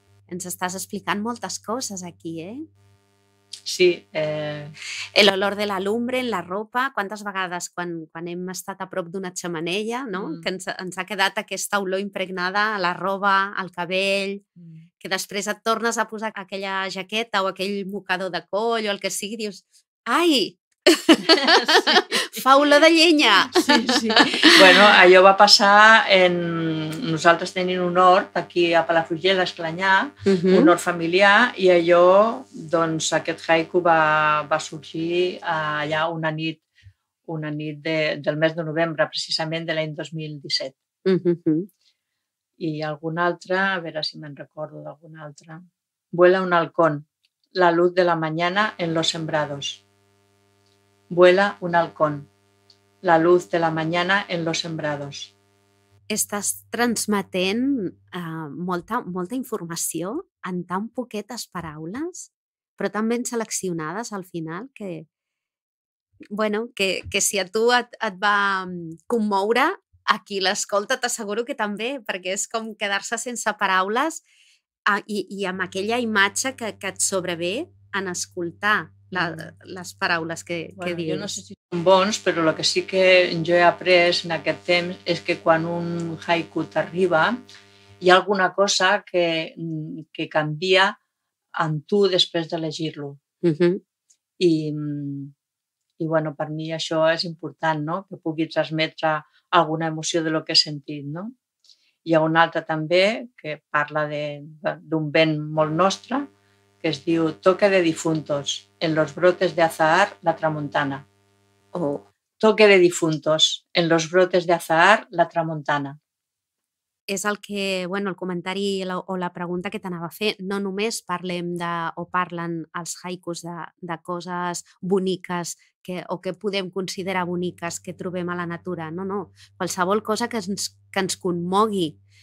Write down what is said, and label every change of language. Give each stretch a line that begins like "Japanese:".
Catalan: Ens estàs explicant moltes coses aquí, eh? Sí.
Spanish: El olor de la lumbre en la ropa.
Catalan: Quantes vegades quan hem estat a prop d'una xemeneia, no? Que ens ha quedat aquesta olor impregnada a la roba, al cabell, que després et tornes a posar aquella jaqueta o aquell mocador de coll o el que sigui, dius, ai, sí. Fa olor de llenya. Sí, sí. Bueno, allò va passar en... Nosaltres tenim un hort aquí a Palafrugell, a Esclanyà, un hort familiar, i allò, doncs, aquest haiku va sorgir allà una nit del mes de novembre, precisament de l'any 2017. I algun altre, a veure si me'n recordo d'algun altre.
Spanish: Vuela un halcón, la luz de la mañana en los sembrados. Vuela un halcón, la luz de la mañana en los sembrados.
Catalan: Estàs transmetent molta informació en tan poquetes paraules, però tan ben seleccionades al final que, bueno, que si a tu et va commoure, a qui l'escolta t'asseguro que també, perquè és com quedar-se sense paraules i amb aquella imatge que et sobrevé en escoltar les paraules que dius. Jo no sé si són bons, però el que sí que jo he après en aquest temps és que quan un haiku t'arriba hi ha alguna cosa que canvia en tu després de llegir-lo. I bueno, per mi això és important, no? Que pugui transmetre alguna emoció de lo que he sentit, no? Hi ha un altre també que parla d'un vent molt nostre, que es diu
Spanish: Toque de difuntos, en los brotes de azahar, la tramontana. Toque de difuntos, en los brotes de azahar, la tramontana.
Catalan: És el que, bueno, el comentari o la pregunta que t'anava a fer, no només parlem parlen els haikus de coses boniques que podem considerar boniques que trobem a la natura, no, qualsevol cosa que ens commogui.